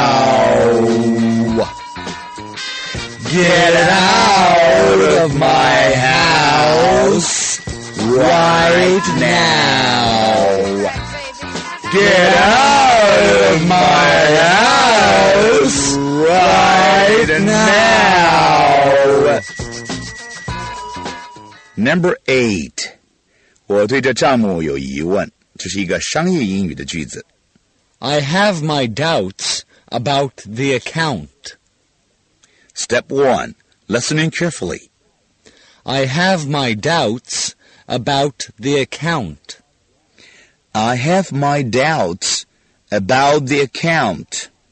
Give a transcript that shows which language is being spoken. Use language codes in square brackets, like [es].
[en] Get out of my house right now. Get out of my house right now. Get out of my house right now. Number 8. [zh] 我对这账目有疑问，这是一个商业英语的句子。 [en] I have my doubts about the account. Step 1. Listening carefully. I have my doubts about the account. I have my doubts about the account.